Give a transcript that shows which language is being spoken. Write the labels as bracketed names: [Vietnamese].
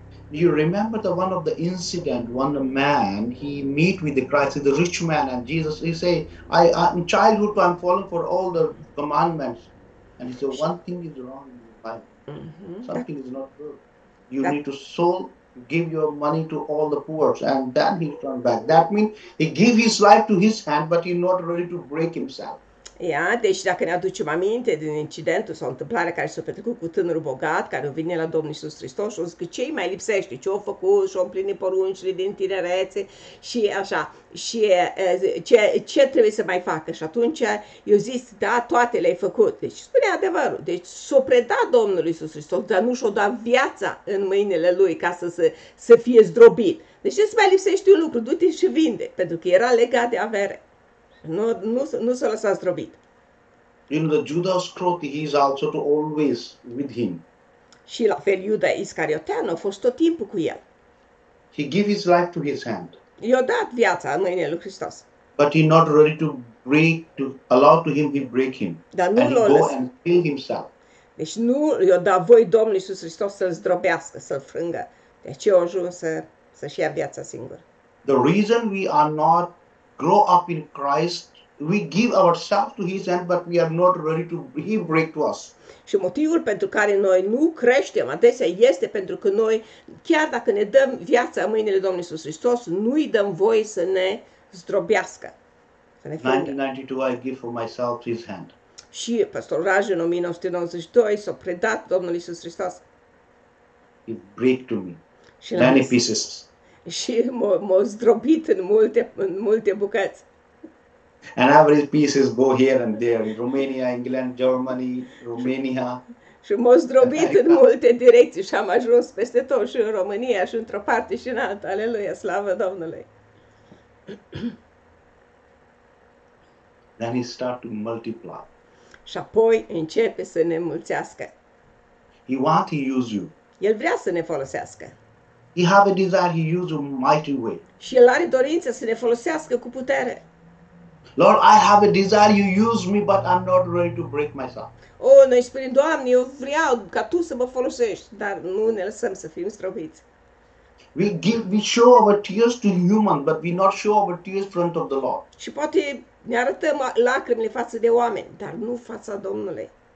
[English] You remember the one of the incident, one man he meet with the Christ, the rich man, and Jesus he say, in childhood I'm falling for all the commandments, and he say, one thing is wrong in your life, something is not good. You need to sell, give your money to all the poor, and then he turn back. That means he give his life to his hand, but he not ready to break himself. [Romanian] Ia, deci dacă ne aducem aminte din incidentul sau întâmplarea care s-a petrecut cu tânărul bogat, care a venit la Domnul Iisus Hristos și a zis că ce-i mai lipsește, ce-o făcut și-o împlinit poruncile din tinerețe și așa, și ce trebuie să mai facă. Și atunci i-a zis, da, toate le-ai făcut. Deci spune adevărul. Deci s-a predat Domnului Iisus Hristos, dar nu și-o dat viața în mâinile lui ca să fie zdrobit. Deci ce-ți mai lipsește un lucru? Du-te și vinde, pentru că era legat de avere. Nu s-a lăsat zdrobit. [English] You know, the Judas Iscariot, he is also to always with him. [Romanian] Și la fel Iuda Iscarioteanu a fost tot timpul cu el. [English] He give his life to his hand. [Romanian] I-a dat viața în mâinile lui Hristos. [English] But he not ready to break, to allow to him, he break him. [Romanian] Dar nu [English] And he [Romanian] l-a [English] go [Romanian] lăsat. [English] and kill himself. [Romanian] Deci nu i-a dat voie Domnul Iisus Hristos să-l zdrobească, să-l frângă. De ce a ajuns să-și ia viața singur. [English] The reason we are not grow up in Christ, we give ourselves to His hand, but we are not ready to He break to us. [Romanian] Și motivul pentru care noi nu creștem adesea este pentru că noi, chiar dacă ne dăm viața în mâinile Domnului Iisus Hristos, nu îi dăm voie să ne zdrobească. [English] 1992 I give for myself His hand. [Romanian] Și pastorul Raj în 1992 s-a predat Domnului Iisus Hristos. [English] He break to me. [Romanian] Și [English] many pieces. [Romanian] Și m-a zdrobit în multe, în multe bucăți. [English] And every pieces go here and there, in Romania, England, Germany, Romania. [Romanian] Și m-a zdrobit în multe direcții și am ajuns peste tot, și în România, și într-o parte și în alta. Aleluia, slavă Domnului. [English] Then he start to multiply. [Romanian] Și apoi începe să ne mulțească. [English] He want to use you. [Romanian] El vrea să ne folosească. [English] He have a desire to use you mighty way. [Romanian] Și el are dorința să ne folosească cu putere. [English] Lord, I have a desire you use me, but I'm not ready to break myself. [Romanian] Oh, noi spunem, Doamne, eu vreau ca Tu să mă folosești, dar nu ne lăsăm să fim strobiți. [English] We show our tears to human, but we not show our tears front of the Lord. [Romanian] Și poate ne arătăm lacrimile față de oameni, dar nu fața Domnului.